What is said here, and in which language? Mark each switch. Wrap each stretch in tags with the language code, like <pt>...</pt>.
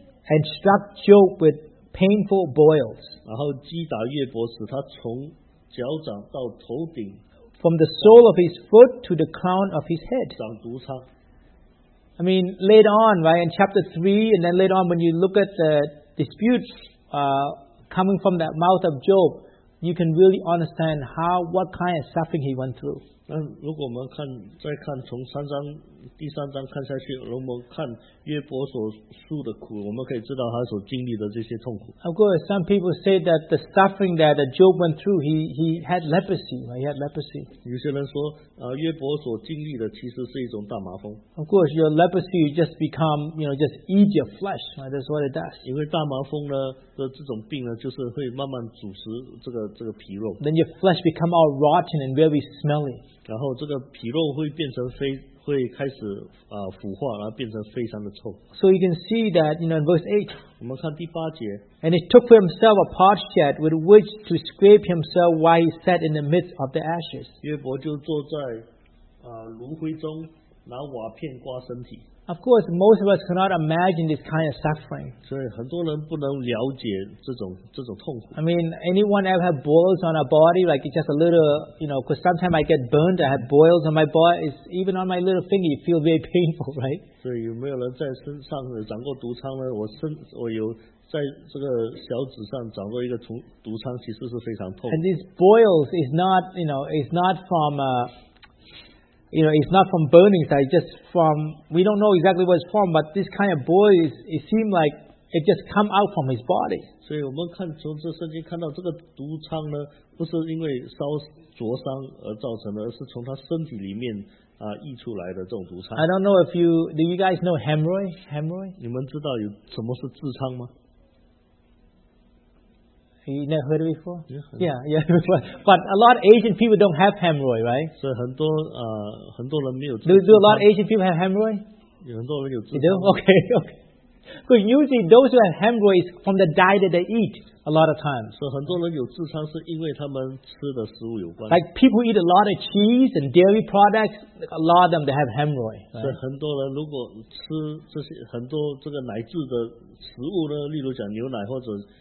<en>And struck Job with painful boils.</en> <zh>然后击打约伯，使他从脚掌到头顶。</zh> <en>From the sole of his foot to the crown of his head. I mean, later on, right, in chapter 3, and then later on when you look at the disputes coming from the mouth of Job, you can really understand what kind of suffering he went through.</en> <zh>如果我们再看从第三章看下去，我们看约伯所受的苦，我们可以知道他所经历的这些痛苦。</zh> <en>Of course, some people say that the suffering that Job went through, he had leprosy. He had leprosy.</en> <zh>有些人说，约伯所经历的其实是一种大麻风。</zh> <en>Of course, your leprosy just become, you know, just eat your flesh. That's what it does.</en> <zh>因为大麻风呢的这种病呢，就是会慢慢腐蚀这个皮肉。</zh> <en>Then your flesh become all rotten and very smelly.</en> <zh>然后这个皮肉会变成会开始腐化，然后变成非常的臭。</zh> <en>So you can see that, you know, in verse 8.</en> <zh>我们看第八节。</zh> <en>And he took for himself a potsherd with which to scrape himself while he sat in the midst of the ashes.</en> <zh>约伯就坐在炉灰中，拿瓦片刮身体。</zh> <en>Of course, most of us cannot imagine this kind of suffering.</en> <zh>所以很多人不能了解这种痛苦。</zh> <en>I mean, anyone ever have boils on our body? Like it's just a little, you know, because sometimes I get burned, I have boils on my body. It's even on my little finger, you feel very painful, right?</en> <zh>所以有没有人在身上长过毒疮呢？我有在这个小指上长过一个毒疮，其实是非常痛。</zh> <en>And these boils is not, you know, it's not from you know, it's not from burning, it's just from, we don't know exactly what it's from, but this kind of boil, it seemed like it just come out from his body.</en> <zh>所以我们看从这圣经看到这个毒疮呢，不是因为烧灼伤而造成的，而是从他身体里面溢出来的这种毒疮。</zh> <en>I don't know if do you guys know hemorrhoid? Hemorrhoid?</en> <zh>你们知道有什么是痔疮吗？</zh> <en>You never heard it before? Yeah. But a lot of Asian people don't have hemorrhoid, right?</en> <zh>所以很多很多人没有。</zh> <en>Do a lot of Asian people have hemorrhoid?</en> <zh>有很多人有。</zh> <en>They do? Okay. Because usually those who have hemorrhoid is from the diet that they eat a lot of times.</en> <zh>所以很多人有痔疮是因为他们吃的食物有关。</zh> <en>Like people eat a lot of cheese and dairy products, a lot of them they have hemorrhoid.</en> <zh>所以很多人如果吃这些很多这个奶制的食物呢，例如讲牛奶或者</zh>